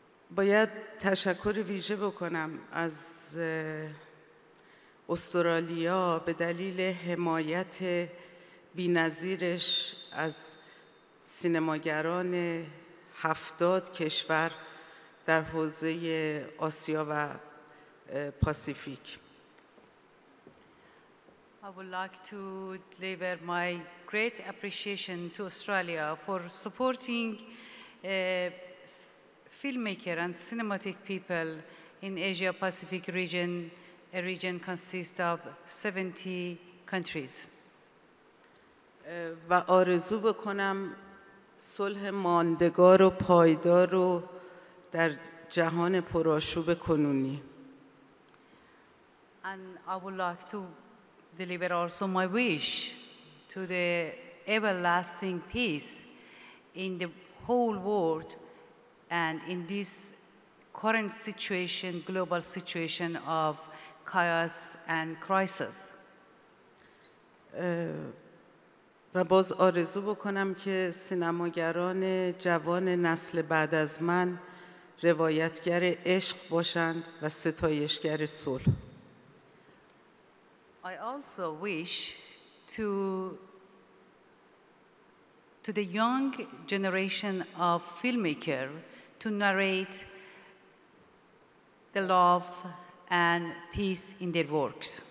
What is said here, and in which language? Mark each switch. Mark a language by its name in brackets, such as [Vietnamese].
[Persian] باید تشکر ویژه بکنم از استرالیا به دلیل حمایت بی‌نظیرش از سینماگران 70 کشور در حوزه آسیا و پاسیفیک. [English] I would like to deliver my great appreciation to Australia for supporting filmmaker and cinematic people in Asia Pacific region, a region consists of 70 countries. [Persian] و آرزو بکنم صلح ماندگار و پایدار رو در جهان پرآشوب کنونی. [English] And I would like to deliver also my wish to the everlasting peace in the whole world. And in this current situation, global situation of chaos and crisis. [Persian] و باز آرزو بکنم که سینماگران جوان نسل بعد از من روایتگر عشق باشند و ستایشگر صلح. [English] I also wish to the young generation of filmmaker to narrate the love and peace in their works.